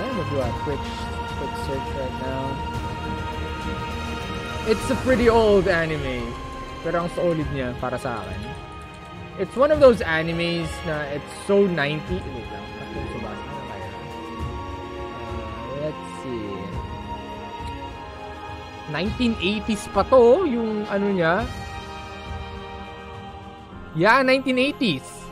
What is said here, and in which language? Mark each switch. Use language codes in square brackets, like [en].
[en] I'm gonna do a quick search right now. It's a pretty old anime. [tl] Pero ang solid niya para sa akin. [en] It's one of those animes na it's so 90. [tl] Wait lang, Captain Tsubasa na kaya. [en] Let's see. [tl] 1980s pa to yung ano niya. [en] Yeah, 1980s.